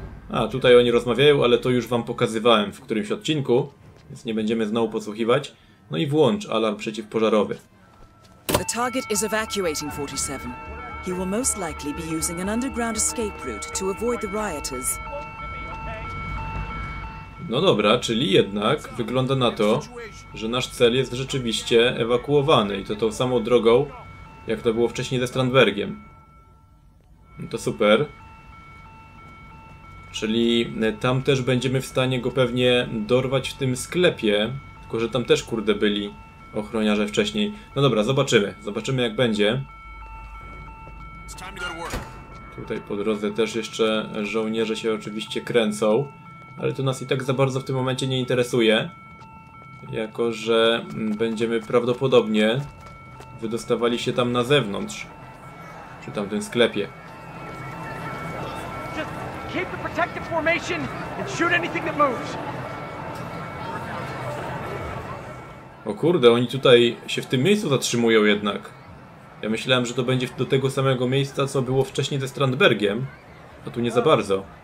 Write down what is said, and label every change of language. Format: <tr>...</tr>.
<pl>A, tutaj oni rozmawiają, ale to już wam pokazywałem w którymś odcinku, więc nie będziemy znowu podsłuchiwać. No i włącz alarm przeciwpożarowy.</pl> <en>The target is evacuating 47. He will most likely be using an underground escape route to avoid the rioters.</en> <pl>No dobra, czyli jednak wygląda na to, że nasz cel jest rzeczywiście ewakuowany i to tą samą drogą, jak to było wcześniej ze Strandbergiem. No to super. Czyli tam też będziemy w stanie go pewnie dorwać w tym sklepie. Tylko, że tam też, kurde, byli ochroniarze wcześniej. No dobra, zobaczymy. Zobaczymy, jak będzie. Tutaj po drodze też jeszcze żołnierze się oczywiście kręcą. Ale to nas i tak za bardzo w tym momencie nie interesuje. Jako, że będziemy prawdopodobnie wydostawali się tam na zewnątrz. Przy tamtym sklepie.</pl> <en>Keep the protective formation and shoot anything that moves.</en> <pl>O kurde, oni tutaj się w tym miejscu zatrzymują jednak. Ja myślałem, że to będzie do tego samego miejsca, co było wcześniej ze Strandbergiem. A tu nie za bardzo.</pl>